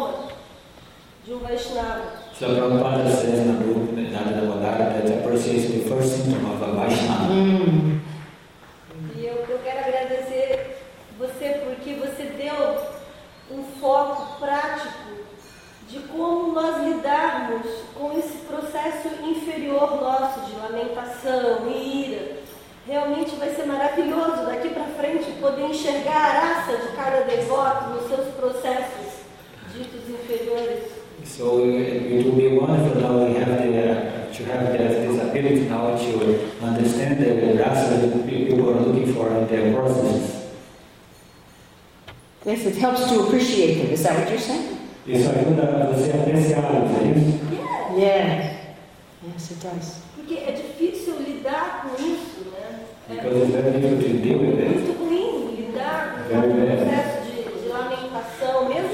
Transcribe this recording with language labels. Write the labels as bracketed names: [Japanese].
[Portuguese] que a apreciação é o primeiro sintoma de um Vaishnava. [English] Shri Prabhupada says in the book that apreciation is the first symptom of a Vaishnava. [Portuguese] E eu quero agradecer você porque você deu um foco prático de como nós lidarmos com esse processo inferior nosso de lamentação e ira. Realmente vai ser maravilhoso daqui para frente poder enxergar a raça de cada devoto nos seus processos ditos inferiores. [English] So it will be wonderful now we have this ability now to understand the raça that people are looking for in their process. Yes, it helps to appreciate them. Is that what you're saying? [Portuguese] Isso ajuda você a apreciar isso. [English] Yes, it does. [Portuguese] Porque é difícil lidar com isso. [English] Because it's very difficult to deal with it. [Portuguese] Muito ruim lidar com o processo de lamentação, mesmo